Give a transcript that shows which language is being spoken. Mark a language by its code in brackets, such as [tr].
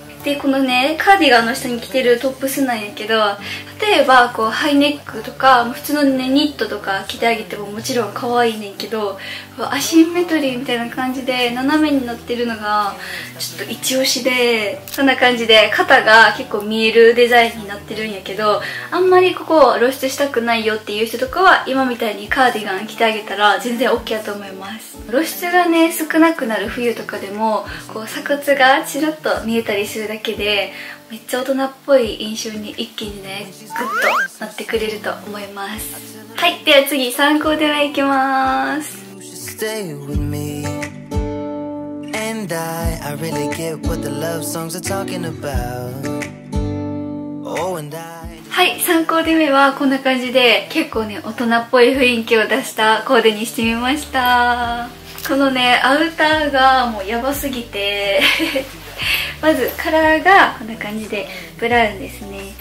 [ja] でこのねカーディガンの下に着てるトップスなんやけど、例えばこうハイネックとか普通の、ね、ニットとか着てあげてももちろん可愛いねんけど、アシンメトリーみたいな感じで斜めになってるのがちょっと一押しで、そんな感じで肩が結構見えるデザインになってるんやけど、あんまりここ露出したくないよっていう人とかは今みたいにカーディガン着てあげたら全然 OK やと思います。露出がね少なくなる冬とかでもこう鎖骨がチラッと見えたりするだけでめっちゃ大人っぽい印象に一気にねグッとなってくれると思います。はい、では次参考ではいきます。 [en] Stay with me, and I really get what the love songs are talking about. Oh, and I. [ja] はい、参考で目はこんな感じで結構ね大人っぽい雰囲気を出したコーデにしてみました。このねアウターがもうヤバすぎて。まずカラーがこんな感じでブラウンですね。